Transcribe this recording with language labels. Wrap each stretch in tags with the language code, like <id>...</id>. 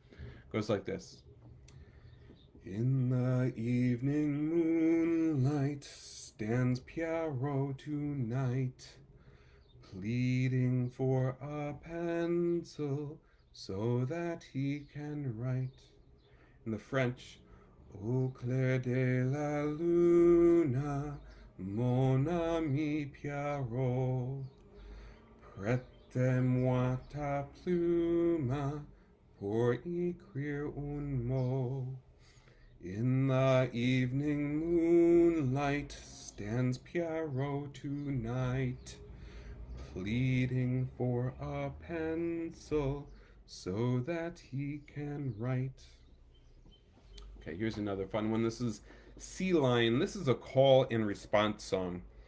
<en>It goes like this. In the evening moonlight stands Pierrot tonight, pleading for a pencil so that he can write. In the French,</en> <fr>au clair de la lune, mon ami Pierrot, prête-moi ta plume pour écrire un mot.</fr> <en>In the evening moonlight stands Pierrot tonight, pleading for a pencil so that he can write. Okay, here's another fun one. This is Sea Lion. This is a call and response song.</en>